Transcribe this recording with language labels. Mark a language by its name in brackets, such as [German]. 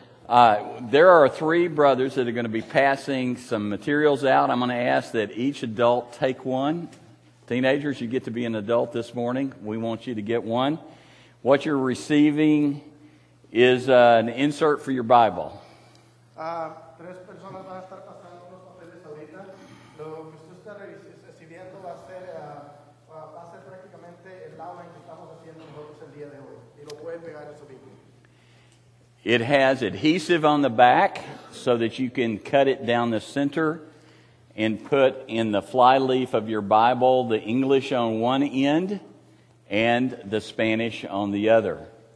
[English] There are three brothers that are going to be passing some materials out. I'm going to ask that each adult take one. Teenagers, you get to be an adult this morning. We want you to get one. What you're receiving is an insert for your Bible. [Spanish] Tres personas van a estar pasando los papeles ahorita. Lo que usted está recibiendo va a ser prácticamente el outline que estamos haciendo nosotros el día de hoy. Y lo pueden pegar en su Biblia. [English] It has adhesive on the back so that you can cut it down the center and put in the fly leaf of your Bible the English on one end and the Spanish on the other.